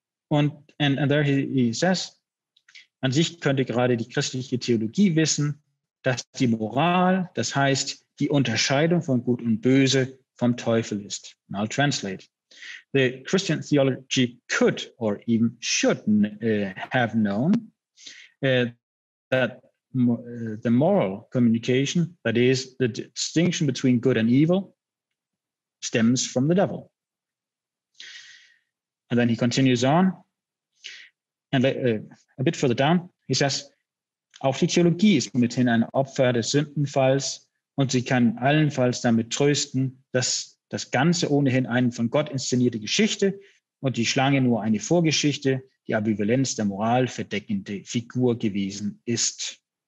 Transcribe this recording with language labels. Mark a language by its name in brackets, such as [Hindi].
[English] And there he says, [German] an sich könnte gerade die christliche Theologie wissen, dass die Moral, das heißt die Unterscheidung von Gut und Böse, vom Teufel ist. [English] And I'll translate. The Christian theology could or even should have known that the moral communication, that is the distinction between good and evil, stems from the devil. And then he continues on, and a bit further down, he says, [German] auch die Theologie ist mithin ein Opfer des Sündenfalls und sie kann allenfalls damit trösten, dass das Ganze ohnehin eine von Gott inszenierte Geschichte und die Schlange nur eine Vorgeschichte, die Ambivalenz der Moral verdeckende Figur gewesen ist.